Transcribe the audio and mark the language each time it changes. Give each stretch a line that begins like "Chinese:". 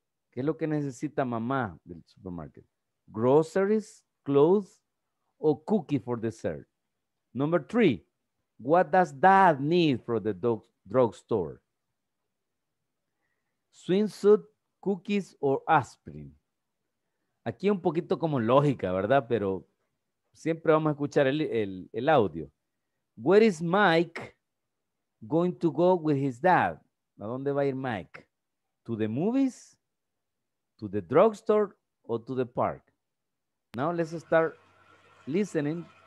Spanish: ¿Qué es lo que necesita mamá del supermarket?
English: Groceries, clothes, or cookie for dessert? Number three, what does dad need from the drugstore? Swimsuit, cookies, or aspirin?
Spanish: Aquí un poquito como lógica, ¿verdad? Pero siempre vamos a escuchar el audio.
English: Where is Mike going to go with his dad?
Spanish: ¿A dónde va a ir Mike?
English: ¿To the movies? ¿To the drugstore? ¿O to the park? Now let's start listening.